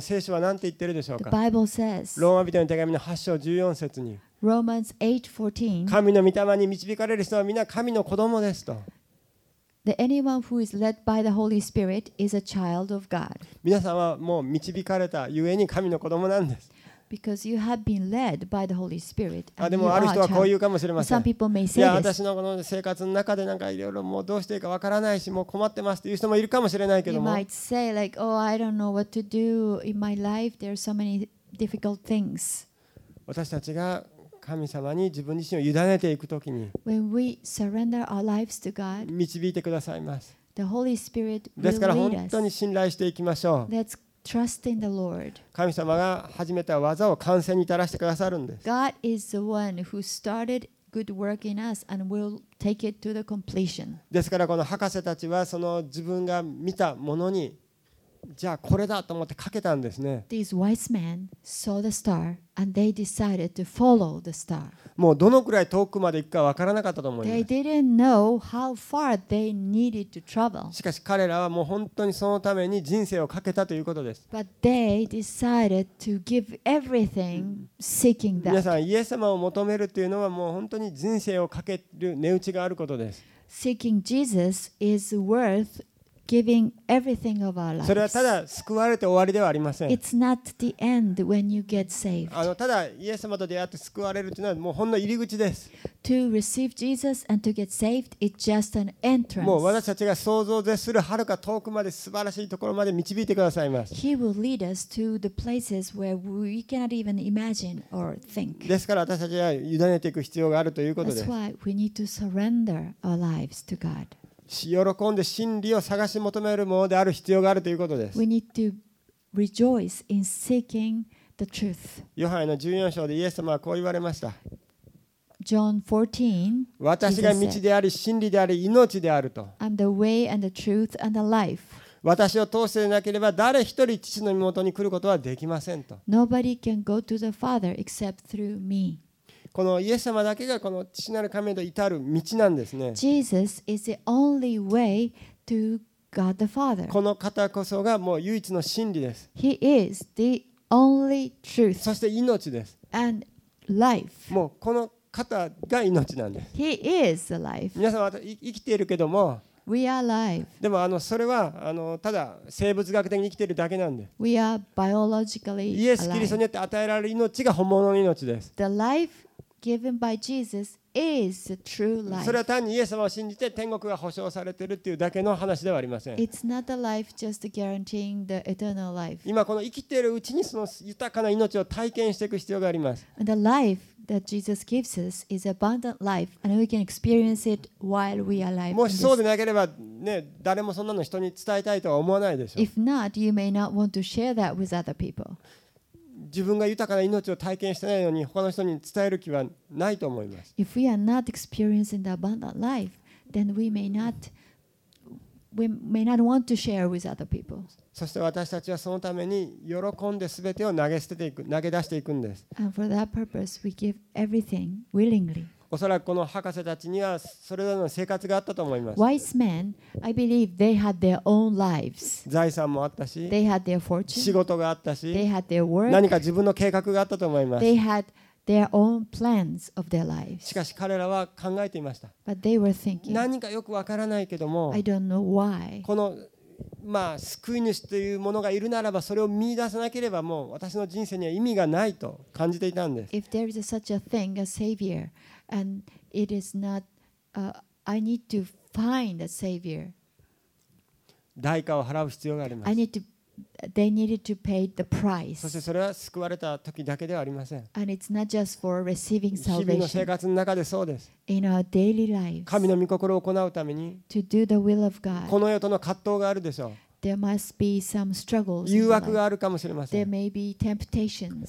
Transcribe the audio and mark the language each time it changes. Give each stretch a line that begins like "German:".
Japanese: 聖書は何て言ってるでしょうか。
English: The Bible says.
Japanese: ローマ人への手紙の8章14節に。
English: Romans 8:14.
Japanese: 神の御霊に導かれる人は皆神の子供ですと。
English: The anyone who is led by the Holy Spirit is a child of God.
Japanese: 皆さんはもう導かれたゆえに神の子供なんです。
English: Because you have been led by the Holy Spirit.
Japanese: あ、でもある人はこう言うかもしれません。
English: Some people may say this.
Japanese: いや、私のこの生活の中でなんかいろいろもうどうしていいかわからないし、もう困ってますっていう人もいるかもしれないけども。
English: You might say like, oh, I don't know what to do in my life. There are so many difficult things.
Japanese: 私たちが神様に自分自身を委ねていくときに、
English: When we surrender our lives to God,
Japanese: 導いてくださいます。
English: The Holy Spirit will lead us.
Japanese: ですから本当に信頼していきましょう。
English: Trust in the Lord.
Japanese: 神様が始めた技を完成に至らせてくださるんです。
English: God is the one who started good work in us and will take it to the completion.
Japanese: ですからこの博士たちはその自分が見たものにじゃあこれだと思ってかけたんですね。
English: These wise men saw the star and they decided to follow the star.
Japanese: もうどのくらい遠くまで行くかわからなかったと思います。
English: They didn't know how far they needed to travel.
Japanese: しかし彼らはもう本当にそのために人生をかけたということです。
English: But they decided to give everything seeking that.
Japanese: 皆さんイエス様を求めるというのはもう本当に人生をかける値打ちがあることです。
English: Seeking Jesus is worthGiving everything of our lives.
Japanese: それはただ救われて終わりではありません。
English: It's not the end when you get saved.
Japanese: ただイエス様と出会って救われるというのはもうほんの入り口です。
English: To receive Jesus and to get saved, it's just an entrance.
Japanese: もう私たちが想像を絶するはるか遠くまで素晴らしいところまで導いてくださいます。
English: He will lead us to the places where we cannot even imagine or think.
Japanese: ですから私たちは委ねていく必要があるということです。
English: That's why we need to surrender our lives to God.
Japanese: 喜んで真理を探し求めるものである必要があるということです。
English: We need to rejoice in seeking the truth.
Japanese: ヨハネの14章でイエス様はこう言われました。
English: John 14.
Japanese: 私が道であり真理であり命であると。
English: I'm the way and the truth and the life.
Japanese: 私を通してなければ誰一人父の身元に来ることはできませんと。
English: Nobody can go to the Father except through me.
Japanese: このイエス様だけがこの父なる神へと至る道なんですね。
English: Jesus is the only way to God the Father.
Japanese: この方こそがもう唯一の真理です。
English: He is the only truth.
Japanese: そして命です。
English: And life.
Japanese: もうこの方が命なんです。
English: He is the life.
Japanese: 皆さん生きているけども、
English: We are alive.
Japanese: でもそれはただ生物学的に生きているだけなんで。
English: We are biologically alive.
Japanese: イエス・キリストによって与えられる命が本物の命です。
English: The lifeGiven by Jesus is the true life.
Japanese: それは単にイエス様を信じて天国が保証されているというだけの話ではありません。
English: It's not a life just guaranteeing the eternal life.
Japanese: 今この生きているうちにその豊かな命を体験していく必要があります。
English: And the life that Jesus gives us is abundant life, and we can experience it while we are alive.
Japanese: もしそうでなければね、誰もそんなの人に伝えたいとは思わないでしょう。
English: If not, you may not want to share that with other people.
Japanese: 自分が豊かな命を体験してないのに他の人に伝える気はないと思います。
English: If we are not experiencing the abundant life, then we may not we may not want to share with other people.
Japanese: そして私たちはそのために喜んで全てを投げ出していくんです。
English: And for that purpose, we give everything willingly.
Japanese: おそらくこの博士たちにはそれぞれの生活があったと思います。
English: Wise men, I believe they had their own lives.
Japanese: 財産もあったし、
English: they had their fortune.
Japanese: 仕事があったし、
English: they had their work.
Japanese: 何か自分の計画があったと思います。
English: They had their own plans of their lives.
Japanese: しかし彼らは考えていました。
English: But they were thinking.
Japanese: 何かよくわからないけども、
English: I don't know why.
Japanese: このまあ、救い主というものがいるならばそれを見出さなければもう私の人生には意味がないと感じていたんです。
English: If there is such a thing, a savior, and it is not, I need to find a savior.
Japanese: 代価を払う必要があります。
English: I need to, they needed to pay the price.
Japanese: そしてそれは救われた時だけではありません。
English: And it's not just for receiving salvation.
Japanese: 日々の生活の中でそうです。
English: In our daily lives,
Japanese: 神の御心を行うために
English: to do the will of God,
Japanese: この世との葛藤があるでしょう。
English: There must be some struggles.
Japanese: 誘惑があるかもしれません。
English: There may be temptations.